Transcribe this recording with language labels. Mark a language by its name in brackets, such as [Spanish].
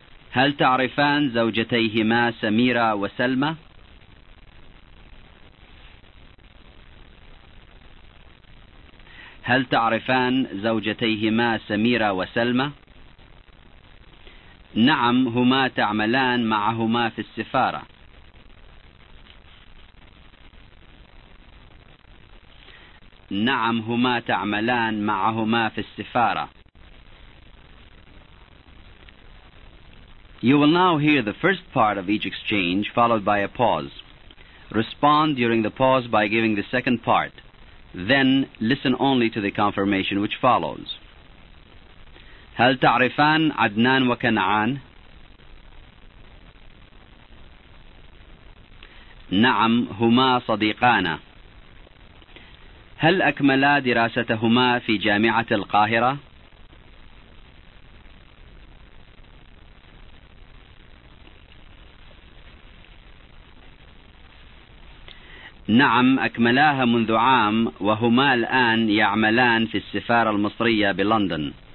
[Arabic] هل تعرفان زوجتيهما سميرة وسلمى؟ هل تعرفان زوجتيهما سميرة وسلمى؟ نعم هما تعملان معهما في السفارة. نعم هما تعملان معهما في السفارة. [English] You will now hear the first part of each exchange followed by a pause. Respond during the pause by giving the second part. Then listen only to the confirmation which follows. [Arabic] هل تعرفان عدنان وكنعان؟ نعم هما صديقانا. هل أكملا دراستهما في جامعة القاهرة؟ نعم أكملاها منذ عام وهما الآن يعملان في السفارة المصرية بلندن.